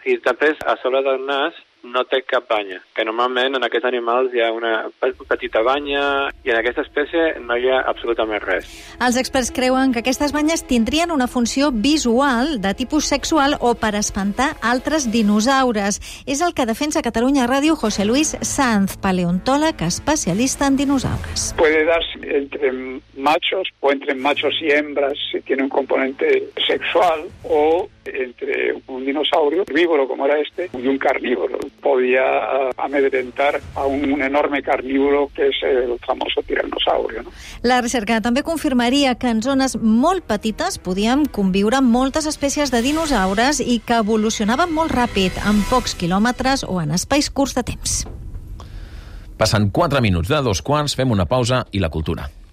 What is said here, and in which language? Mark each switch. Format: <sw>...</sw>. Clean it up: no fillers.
<ca>I després, a sobre del nas, no té cap banya, que normalment en aquests animals hi ha una petita banya, i en aquesta espècie no hi ha absolutament res. Els experts creuen que aquestes banyes tindrien una funció visual, de tipus sexual o per espantar altres dinosaures. És el que defensa Catalunya Ràdio José Luis Sanz, paleontòleg especialista en dinosaures.</ca> <es>Puede darse entre machos o entre machos y hembras, si tiene un componente sexual, o entre un un dinosaurio, herbívoro como era este, y un carnívoro. Podía amedrentar a un enorme carnívoro que es el famoso tiranosaurio, ¿no?</es> <ca>La recerca també confirmaria que en zones molt petites podíem conviure amb moltes espècies de dinosaures i que evolucionaven molt ràpid, en pocs quilòmetres o en espais curts de temps. Passen 4 minuts de 2:15, fem una pausa i la cultura.</ca>